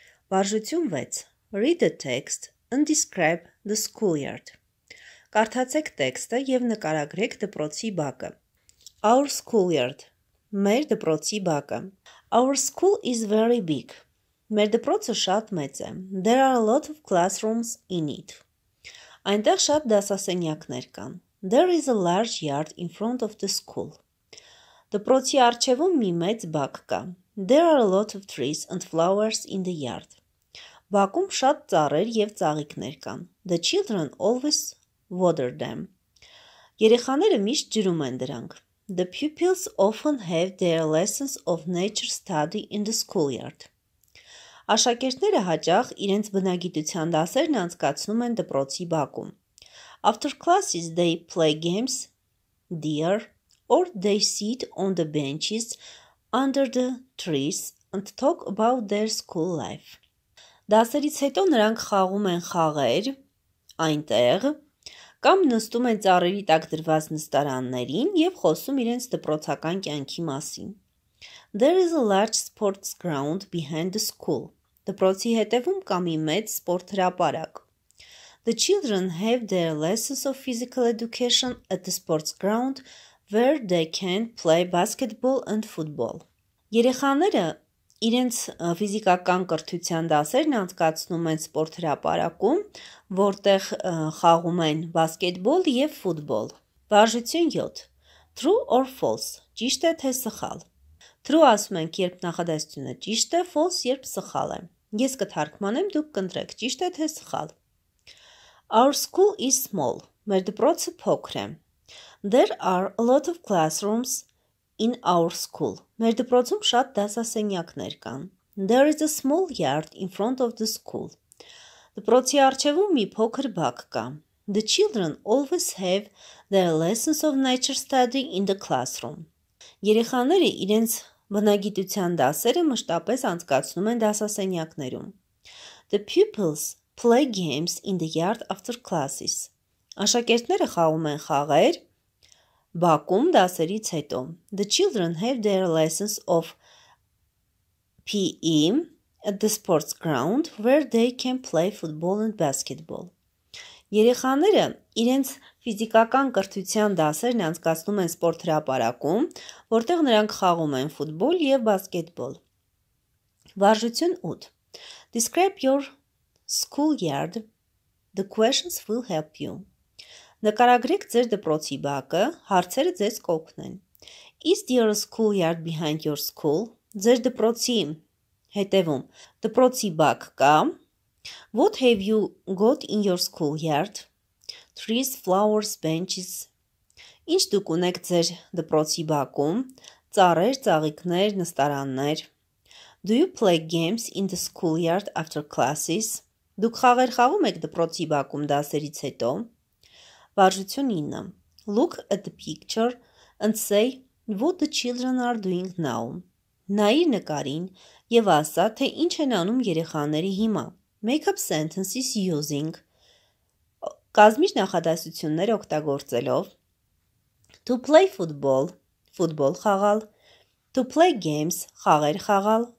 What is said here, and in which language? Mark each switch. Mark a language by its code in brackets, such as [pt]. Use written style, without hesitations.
[hy] Varjutyun vets, [en] read the text and describe the schoolyard. [hy] Kartatsek tekste yev nkaragrek dprotsi baka. [en] Our schoolyard. [hy] Mer dprotsi baka. [en] Our school is very big. [hy] Մեր դպրոցը շատ մեծ է. [en] There are a lot of classrooms in it. [hy] Այնտեղ շատ դասասենյակներ կան. [en] There is a large yard in front of the school. [hy] Դպրոցի առջևում մի մեծ բակ կա. [en] There are a lot of trees and flowers in the yard. [hy] Բակում շատ ծառեր և ծաղիկներ կան. [en] The children always water them. [hy] Երեխաները միշտ ջրում են դրանք. [en] The pupils often have their lessons of nature study in the schoolyard. [hy] Աշակերտները հաճախ իրենց բնագիտության դասերն անցկացնում են դպրոցի բակում. [en] After classes they play games, deer, or they sit on the benches under the trees and talk about their school life. [hy] Դասերից հետո նրանք խաղում են խաղեր այնտեղ կամ նստում են ծառերի տակ դրված նստարաններին և խոսում իրենց դպրոցական կյանքի մասին. [en] There is a large sports ground behind the school. [hy] Դպրոցի հետևում կա մի մեծ սպորտհրապարակ. [en] The children have their lessons of physical education at the sports ground where they can play basketball and football. [hy] Երեխաները իրենց ֆիզիկական կրթության դասերն անցկացնում են սպորտհրապարակում, որտեղ խաղում են բասկետբոլ և ֆուտբոլ։ Վարժություն 7. [en] True or false? [hy] Ճիշտ է թե սխալ? True ասում ենք, երբ նախադասությունը ճիշտ է, false, երբ սխալ է։ Ես կթարգմանեմ, դուք կընտրեք, ճիշտ է թե սխալ։ [en] Our school is small. [hy] Մեր դպրոցը փոքր է. [en] There are a lot of classrooms in our school. [hy] Մեր դպրոցում շատ դասասենյակներ կան. [en] There is a small yard in front of the school. [hy] Դպրոցի առջևում մի փոքր բակ կա. [en] The children always have their lessons of nature study in the classroom. [hy] Երեխաները իրենց բնագիտության դասերը մշտապես անցկացնում են դասասենյակներում. [en] The pupils play games in the yard after classes. [hy] Աշակերտները խաղում են խաղեր բակում դասերից հետո. [en] The children have their lessons of PE at the sports ground where they can play football and basketball. [hy] Երեխաները իրենց ֆիզիկական կրթության դասերն անցկացնում են սպորտհրապարակում, որտեղ նրանք խաղում են ֆուտբոլ և բասկետբոլ։ Վարժություն 8. [en] Describe your schoolyard. The questions will help you. [hy] Նկարագրեք ձեր դպրոցի բակը, հարցերը ձեզ կօգնեն։ [en] Is your schoolyard behind your school? [hy] Ձեր դպրոցի հետևում դպրոցի բակ կա։ [en] What have you got in your schoolyard? Trees, flowers, benches. [hy] Ինչ դուք ունեք ձեր դպրոցի բակում? Ծառեր, ծաղիկներ, նստարաններ. [en] Do you play games in the schoolyard after classes? [hy] Դուք խաղեր խաղում եք դպրոցի բակում դասերից հետո? Վարժություն 9. [en] Look at the picture and say what the children are doing now. [hy] Նայիր նկարին և ասա, թե ինչ են անում երեխաների հիմա. [en] Make up sentences using [hy] կազմիր նախադասություններ օգտագործելով. [en] To play football, [hy] ֆուտբոլ խաղալ. [en] To play games, [hy] խաղեր խաղալ.